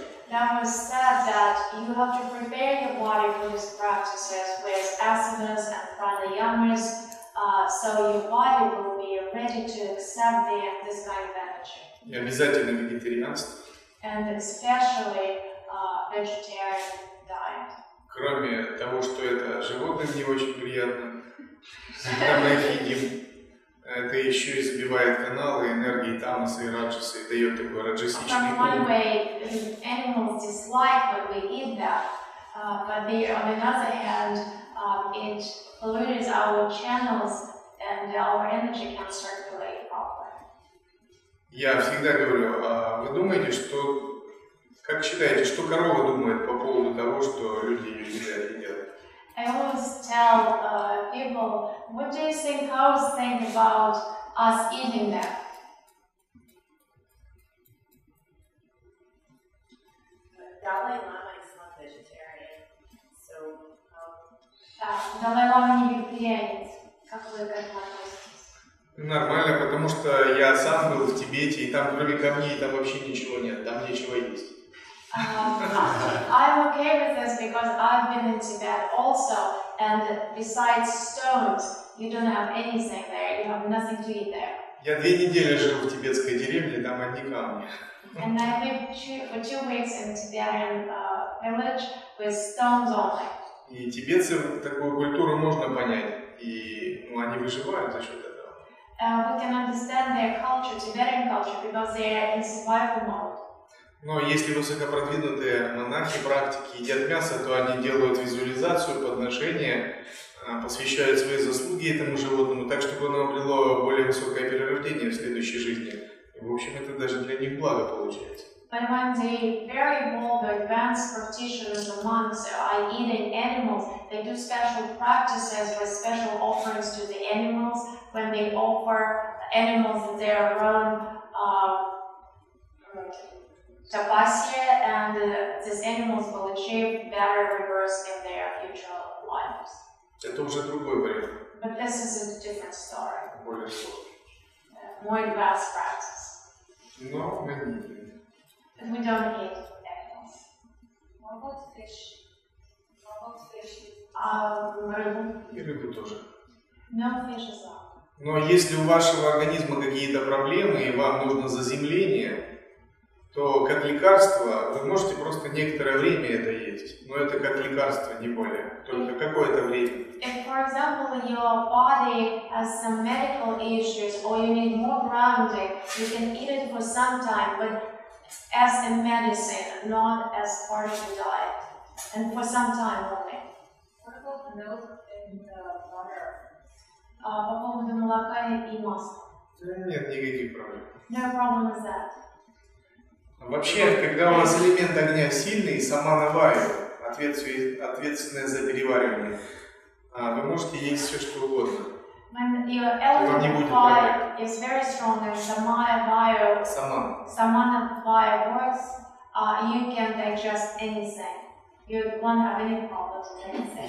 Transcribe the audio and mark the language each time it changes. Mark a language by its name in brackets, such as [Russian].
[English] That was said that you have to prepare your body for these practices with asanas and pranayamas, so your body will be ready to accept this kind of energy. [Russian] Обязательно вегетарианство. [English] And especially vegetarian diet. [Russian] Кроме того, что это животным не очень приятно, когда мы их едим, это еще и забивает каналы энергии тамаса и раджаса и дает такой раджасичный ум. [English] One way, animals dislike when we eat that, but they, on the other hand, it pollutes our channels and our energy can circulate properly. [Russian] Я всегда говорю, вы думаете, что как считаете, что корова думает по поводу того, что люди ее едят и едят? [English] I always tell people, what do you think cows think about us eating them? Dalai Lama is not vegetarian, so [Russian] Dalai Lama не вегетарианец. Как вы к этому относитесь? Нормально, потому что я сам был в Тибете, и там кроме камней там вообще ничего нет, там нечего есть. [English] I'm okay with this because I've been in Tibet also, and besides stones, you don't have anything there. You have nothing to eat there. [Russian] Я две недели живу в тибетской деревне, там одни камни. [English] And I lived for 2 weeks in Tibetan village with stones only. [Russian] И тибетцы такую культуру можно понять, и ну они выживают за счет этого. [English] We can understand their culture, Tibetan culture, because they are in survival mode. [Russian] Но если высокопродвинутые монахи, практики едят мясо, то они делают визуализацию, подношение, посвящают свои заслуги этому животному, так чтобы оно обрело более высокое перерождение в следующей жизни. И, в общем, это даже для них благо получается. [English] But when the very bold advanced practitioners or monks are eating animals, they do special practices with special offerings to the animals when they offer animals of their own. Tapasya, and these animals will achieve better rewards in their future lives. [Russian] Это уже другой вариант. [English] But this is a different story. [Russian] Более сложный. [English] More advanced practice. [Russian] Но мы не едим. [English] And we don't eat animals. What about fish? What about fish? [Russian] Рыбу. И рыбу тоже. [English] No fish as well. [Russian] Но если у вашего организма какие-то проблемы и вам нужно заземление, то как лекарство вы можете просто некоторое время это есть, но это как лекарство, не более, только какое-то время. [English] If, for example, your body has some medical issues or you need more grounding, you can eat it for some time, but as a medicine, not as part of your diet, and for some time only. What about milk and water? [Russian] По поводу молока и масла. Нет, никаких проблем. [English] No problem with that. [Russian] Вообще, когда у вас элемент огня сильный, самана вайя, ответственная за переваривание, вы можете есть все, что угодно. [English] When your element fire is very strong and samana vayu, samana vayu works, you can digest anything. You won't have any problems with anything.